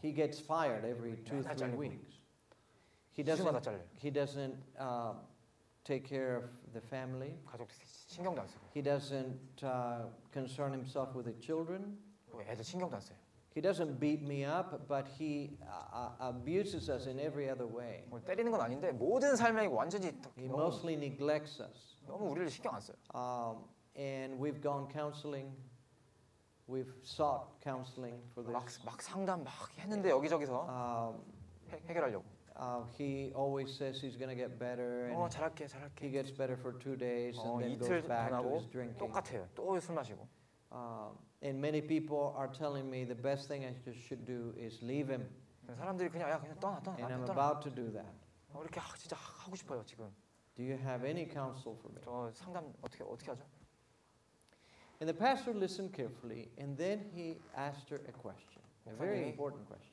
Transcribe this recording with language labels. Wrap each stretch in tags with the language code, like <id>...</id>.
<en>He gets fired every 2-3 weeks. He doesn't take care of the family.</en> <ko>가족 신경도 안 쓰고.</ko> <en>He doesn't concern himself with the children.</en> <ko>애들 신경도 안 써요.</ko> <en>He doesn't beat me up, but he abuses us in every other way.</en> <ko>뭐 때리는 건 아닌데 모든 삶에 완전히</ko> <en>He mostly neglects us.</en> <ko>너무 우리를 신경 안 써요.</ko> <en>And we've gone counseling. We've sought counseling for this.</en> <ko>막 상담 막 했는데 여기저기서 해결하려고.</ko> <en>He always says he's going to get better. And</en> <ko>어, 잘할게, 잘할게.</ko> <en>He gets better for 2 days and then goes back to his drinking.</en> <ko>똑같아요. 또 술 마시고.</ko> <en>And many people are telling me the best thing I should do is leave him.</en> <ko>사람들이 그냥 야 그냥 떠나 떠나.</ko> <en>And I'm</en> <ko>떠나.</ko> <en>about to do that.</en> <ko>어, 이렇게 진짜 하고 싶어요 지금.</ko> <en>Do you have any counsel for me?</en> <ko>저 상담 어떻게 하죠?</ko> <en>And the pastor listened carefully and then he asked her a question, a very important question.</en>